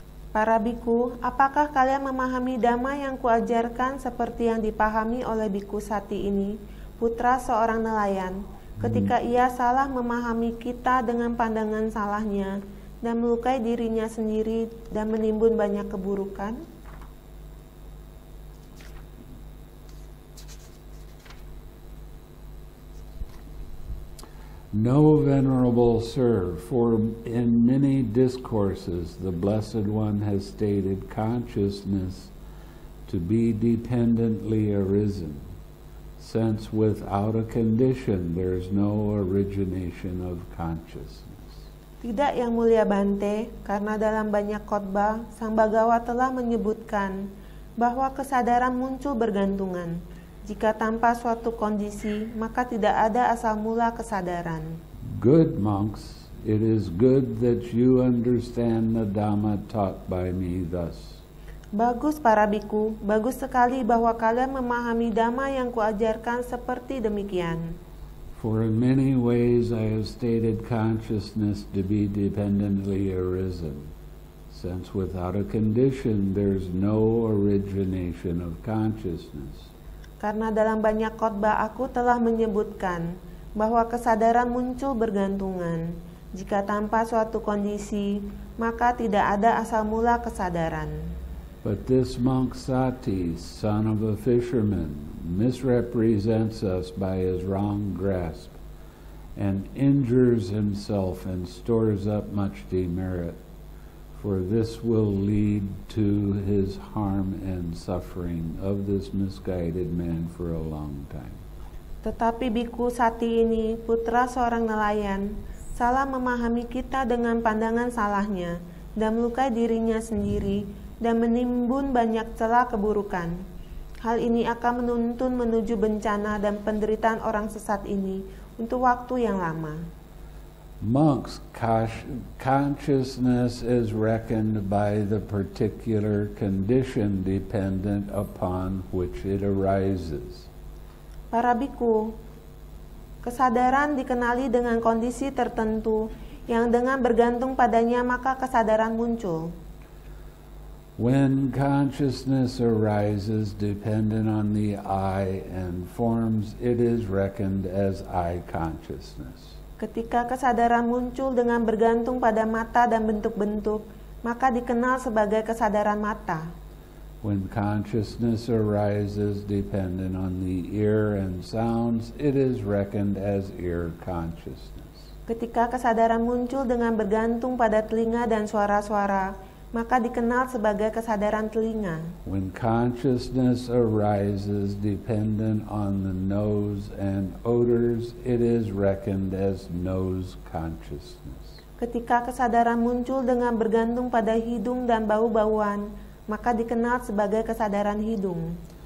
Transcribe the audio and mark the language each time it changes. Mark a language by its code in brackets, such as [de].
[id] Para bhikkhu, apakah kalian memahami Dhamma yang kuajarkan seperti yang dipahami oleh bhikkhu Sati ini, putra seorang nelayan? Ketika ia salah memahami kita dengan pandangan salahnya dan melukai dirinya sendiri dan menimbun banyak keburukan. [en] No, venerable sir, for in many discourses the Blessed One has stated consciousness to be dependently arisen. Since without a condition, there is no origination of consciousness. [id] Tidak yang mulia Bante, karena dalam banyak khotbah, Sang Bhagava telah menyebutkan bahwa kesadaran muncul bergantungan. Jika tanpa suatu kondisi, maka tidak ada asal mula kesadaran. [en] Good monks, it is good that you understand the Dhamma taught by me thus. [id] Bagus para bhikkhu, bagus sekali bahwa kalian memahami Dhamma yang kuajarkan seperti demikian. [en] For in many ways I have stated consciousness to be dependently arisen, since without a condition there is no origination of consciousness. [id] Karena dalam banyak khotbah aku telah menyebutkan bahwa kesadaran muncul bergantungan. Jika tanpa suatu kondisi, maka tidak ada asal mula kesadaran. [en] But this monk Sati, son of a fisherman, misrepresents us by his wrong grasp and injures himself and stores up much demerit, for this will lead to his harm and suffering of this misguided man for a long time. [id] Tetapi bhikkhu Sati ini, putra seorang nelayan, salah memahami kita dengan pandangan salahnya dan melukai dirinya sendiri dan menimbun banyak celah keburukan. Hal ini akan menuntun menuju bencana dan penderitaan orang sesat ini untuk waktu yang lama. [en] Monks, consciousness is reckoned by the particular condition dependent upon which it arises. [id] Para bhikkhu, kesadaran dikenali dengan kondisi tertentu yang dengan bergantung padanya maka kesadaran muncul. [en] When consciousness arises dependent on the eye and forms, it is reckoned as eye consciousness. [id] Ketika kesadaran muncul dengan bergantung pada mata dan bentuk-bentuk, maka dikenal sebagai kesadaran mata. [en] When consciousness arises dependent on the ear and sounds, it is reckoned as ear consciousness. [id] Ketika kesadaran muncul dengan bergantung pada telinga dan suara-suara, maka dikenal sebagai kesadaran telinga. [en] When consciousness arises dependent on the nose and odors, it is reckoned as nose consciousness. [id] Ketika kesadaran muncul dengan bergantung pada hidung dan bau-bauan, maka dikenal sebagai kesadaran hidung.